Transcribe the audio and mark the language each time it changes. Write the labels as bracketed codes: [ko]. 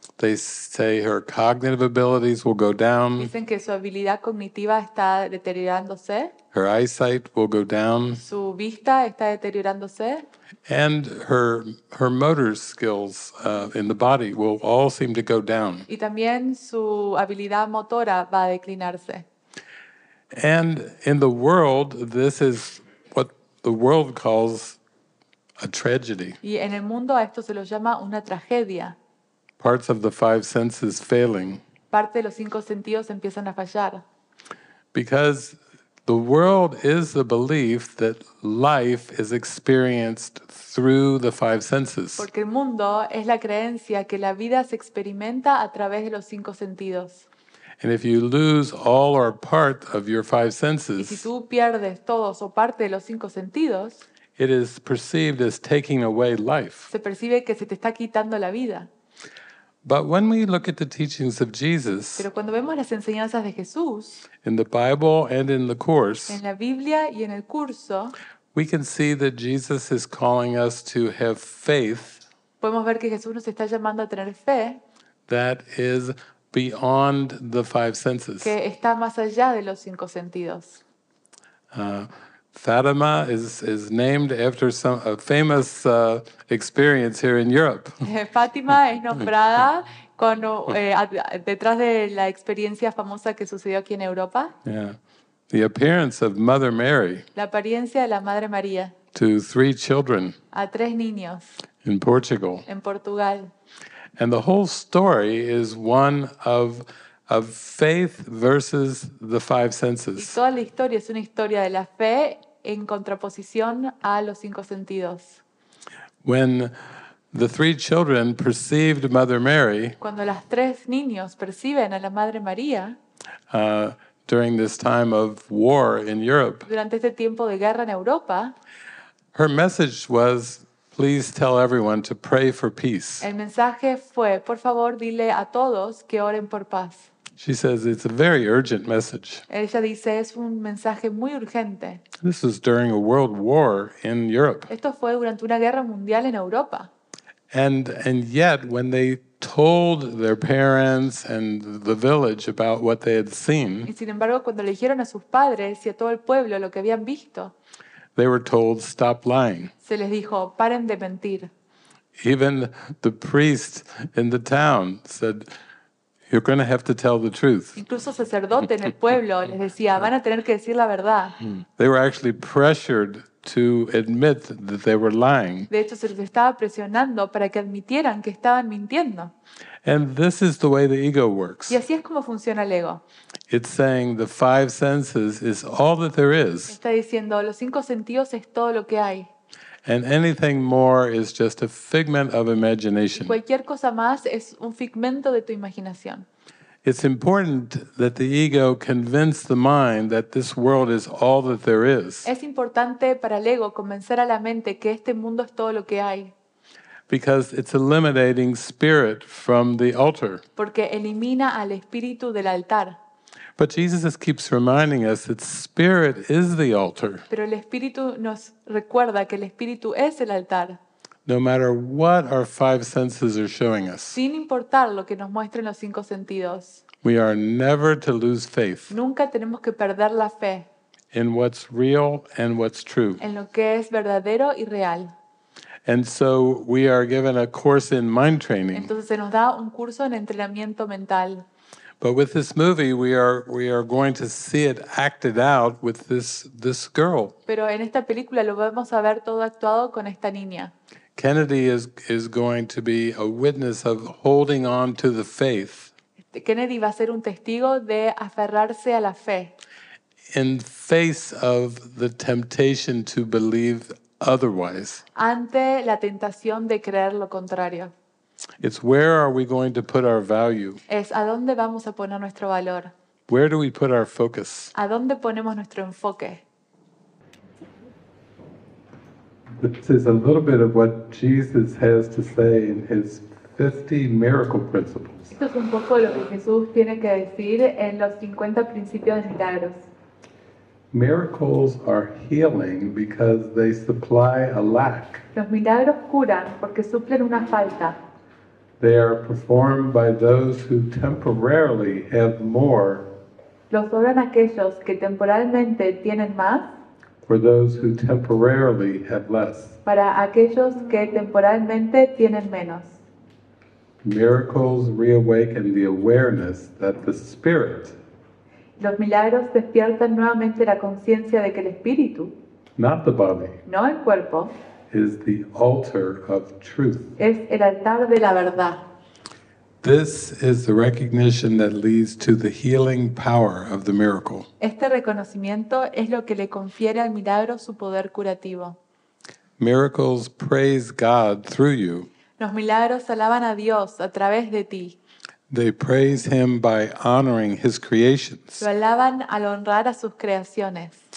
[en] They say her cognitive abilities will go down. [es] Dicen que su habilidad cognitiva está deteriorándose. [en] Her eyesight will go down. [es] Su vista está deteriorándose. [en] And her motor skills in the body will all seem to go down. [es] Y también su habilidad motora va a declinarse. [en] And in the world, this is what the world calls a tragedy. [es] Y en el mundo a esto se lo llama una tragedia. [en] Parts of the five senses failing. [es] Parte de los cinco sentidos empiezan a fallar. [en] Because the world is the belief that life is experienced through the five senses. [es] Porque el mundo es la creencia que la vida se experimenta a través de los cinco sentidos. [en] And if you lose all or part of your five senses, [es] y si tú pierdes todos o parte de los cinco sentidos, [en] it is perceived as taking away life. [es] Se percibe que se te está quitando la vida. [en] But when we look at the teachings of Jesus, [es] pero cuando vemos las enseñanzas de Jesús, [en] in the Bible and in the Course, [es] en la Biblia y en el curso, [en] we can see that Jesus is calling us to have faith. [es] Podemos ver que Jesús nos está llamando a tener fe. [en] That is beyond the five senses. [es] Que está más allá de los cinco sentidos. [en] Fatima is named after some a famous experience here in Europe. [es] Fátima es nombrada con detrás de la experiencia famosa que sucedió aquí en Europa. [en] Yeah. The appearance of Mother Mary. [es] La apariencia de la Madre María. [en] To three children. [es] A tres niños. [en] In Portugal. [es] En Portugal. [en] And the whole story is one of faith versus the five senses. [es] Y toda la historia es una historia de la fe en contraposición a los cinco sentidos. [en] When the three children perceived Mother Mary. [es] Cuando las tres niños perciben a la Madre María. [en] During this time of war in Europe. [es] Durante este tiempo de guerra en Europa. [en] Her message was, please tell everyone to pray for peace. [es] El mensaje fue, por favor, dile a todos que oren por paz. [en] She says it's a very urgent message. [es] Ella dice es un mensaje muy urgente. [en] This is during a world war in Europe. [es] Esto fue durante una guerra mundial en Europa. [en] And yet when they told their parents and the village about what they had seen. [es] Y sin embargo, cuando le dijeron a sus padres y a todo el pueblo lo que habían visto. [en] They were told stop lying. [es] Se les dijo, paren de mentir. [en] Even the priest in the town said, you're going to have to tell the truth. [es] Incluso el sacerdote en el pueblo les decía, van a tener que decir la verdad. [en] They were actually pressured to admit that they were lying. [es] De hecho, se les estaba presionando para que admitieran que estaban mintiendo. [en] And this is the way the ego works. [es] Y así es como funciona el ego. [en] It's saying the five senses is all that there is. [es] Está diciendo los cinco sentidos es todo lo que hay. [en] And anything more is just a figment of imagination. [es] Y cualquier cosa más es un figmento de tu imaginación. [en] It's important that the ego convince the mind that this world is all that there is. [es] Es importante para el ego convencer a la mente que este mundo es todo lo que hay. [en] Because it's eliminating spirit from the altar. [es] Porque elimina al espíritu del altar. [en] But Jesus keeps reminding us that spirit is the altar. [es] Pero el espíritu nos recuerda que el espíritu es el altar. [en] No matter what our five senses are showing us. [es] Sin importar lo que nos muestren los cinco sentidos. [en] We are never to lose faith. [es] Nunca tenemos que perder la fe. [en] In what's real and what's true. [es] En lo que es verdadero y real. [en] And so we are given a course in mind training. [es] Entonces se nos da un curso en entrenamiento mental. [en] But with this movie we are going to see it acted out with this girl. [es] Pero en esta película lo vamos a ver todo actuado con esta niña. [en] Kennedy is going to be a witness of holding on to the faith. [es] Kennedy va a ser un testigo de aferrarse a la fe. [en] In face of the temptation to believe otherwise. [es] Ante la tentación de creer lo contrario. [en] It's where are we going to put our value? [es] Es a dónde vamos a poner nuestro valor. [en] Where do we put our focus? [es] ¿A dónde ponemos nuestro enfoque? [en] This is a little bit of what Jesus has to say in his 50 miracle principles. [es] Esto es un poco lo que Jesús tiene que decir en los 50 principios de milagros. [en] Miracles are healing because they supply a lack. [es] Los milagros curan porque suplen una falta. [en] They are performed by those who temporarily have more. [es] Los obran aquellos que temporalmente tienen más. [en] For those who temporarily have less. [es] Para aquellos que temporalmente tienen menos. [en] Miracles reawaken the awareness that the spirit. [es] Los milagros despiertan nuevamente la conciencia de que el espíritu. [en] Not the body. [es] No el cuerpo. [en] Is the altar of truth. [es] Es el altar de la verdad. [en] This is the recognition that leads to the healing power of the miracle. [es] Este reconocimiento es lo que le confiere al milagro su poder curativo. [en] Miracles praise God through you. [es] Los milagros alaban a Dios a través de ti. [en] They praise him by honoring his creations. [es] Lo alaban al honrar a sus creaciones.